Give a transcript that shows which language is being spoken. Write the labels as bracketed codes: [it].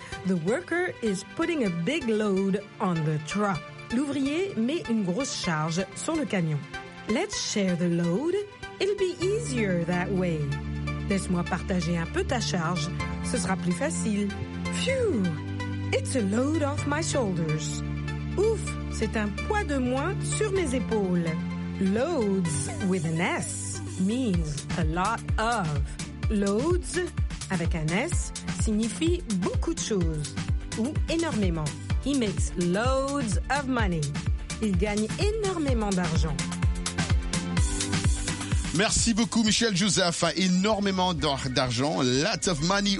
[en] The worker is putting a big load on the truck. [fr] L'ouvrier met une grosse charge sur le camion. [en] Let's share the load. It'll be easier that way. [fr] Laisse-moi partager un peu ta charge. Ce sera plus facile. Phew! [en] It's a load off my shoulders. Ouf! [fr] C'est un poids de moins sur mes épaules. [en] Loads with an S means a lot of. [fr] Loads avec un S signifie beaucoup de choses ou énormément. [en] He makes loads of money. [fr] Il gagne énormément d'argent. Merci beaucoup, Michel Joseph. Énormément d'argent, [en] lots of money.